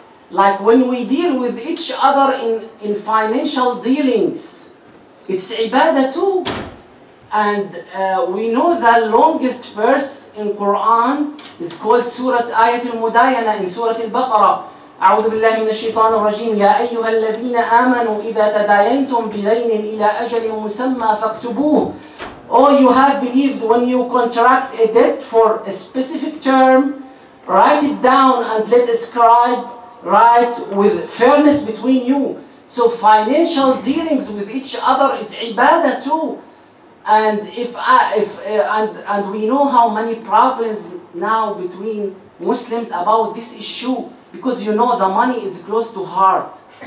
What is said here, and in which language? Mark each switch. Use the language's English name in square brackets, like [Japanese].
[English] Like when we deal with each other in financial dealings, it's ibadah too. And we know the longest verse in Quran is called Surah Ayat al-Mudayana in Surah al-Baqarah. [Arabic] أعوذ بالله من الشيطان الرجيم يا أيها الذين آمنوا إذا تداينتم بدين إلى أجل مسمى فاكتبوه. [English] Oh, you have believed, when you contract a debt for a specific term, write it down and let a scribe write with fairness between you. So financial dealings with each other is ibadah too. And if we know how many problems now between Muslims about this issue, because you know the money is close to heart.